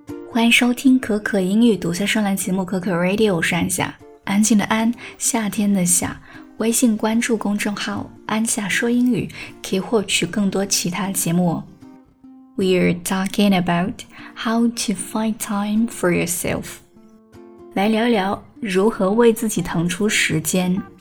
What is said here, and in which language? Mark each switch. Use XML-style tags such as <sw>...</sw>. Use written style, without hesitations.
<zh>欢迎收听可可英语独家专栏节目可可 Radio， 我是安夏，安静的安，夏天的夏。微信关注公众号安夏说英语，可以获取更多其他节目。</zh> <en>We're talking about how to find time for yourself.</en> <zh>来聊聊如何为自己腾出时间。</zh>